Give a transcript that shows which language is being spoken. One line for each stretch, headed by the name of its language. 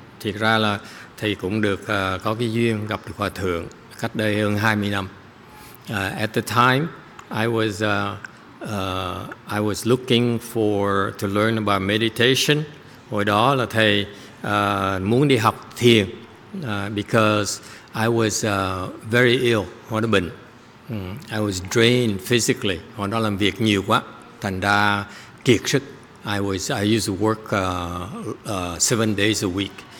Vietnamese: Thì ra là thầy cũng được có cái duyên gặp được Hòa Thượng cách đây hơn 20 năm.
English: At the time, I was looking to learn about meditation.
Vietnamese: Hồi đó là thầy muốn đi học thiền
English: because I was very ill,
Vietnamese: hồi đó bệnh.
English: I was drained physically.
Vietnamese: Hồi đó làm việc nhiều quá, thành ra kiệt sức.
English: I used to work 7 days a week.